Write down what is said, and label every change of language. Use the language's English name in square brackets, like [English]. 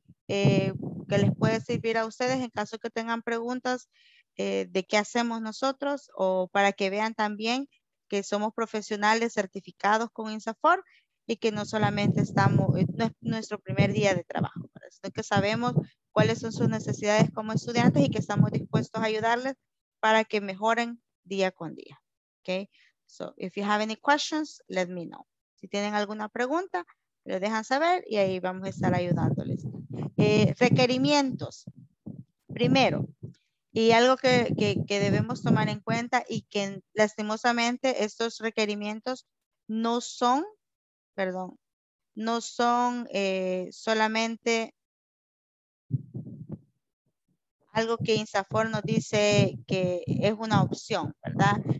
[Spanish] Que les puede servir a ustedes en caso que tengan preguntas de qué hacemos nosotros, o para que vean también que somos profesionales certificados con INSAFOR y que no solamente estamos, no es nuestro primer día de trabajo, sino que sabemos cuáles son sus necesidades como estudiantes y que estamos dispuestos a ayudarles para que mejoren día con día. Okay? [English] So, if you have any questions, let me know. [Spanish] Si tienen alguna pregunta, lo dejan saber y ahí vamos a estar ayudándoles. Requerimientos. Primero, y algo que debemos tomar en cuenta, y que lastimosamente estos requerimientos no son, perdón, no son solamente algo que INSAFOR nos dice que es una opción, ¿verdad?